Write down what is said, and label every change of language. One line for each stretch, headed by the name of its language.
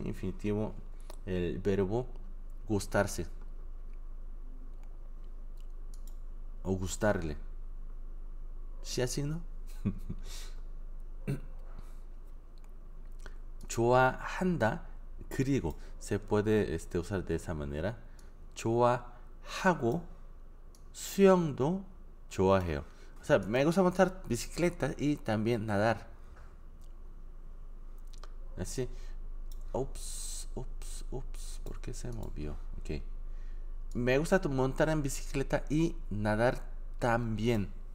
Spanish: Infinitivo, el verbo gustarse, o gustarle, ¿sí así, no?
Korean: 좋아한다.
Spanish: 그리고 se puede usar de esa manera.
Korean: 좋아하고 수영도 좋아해요.
Spanish: O sea, me gusta montar bicicleta y también nadar. Así. Ups, ups, ups. ¿Por qué se movió? Okay. Me gusta montar en bicicleta y nadar también.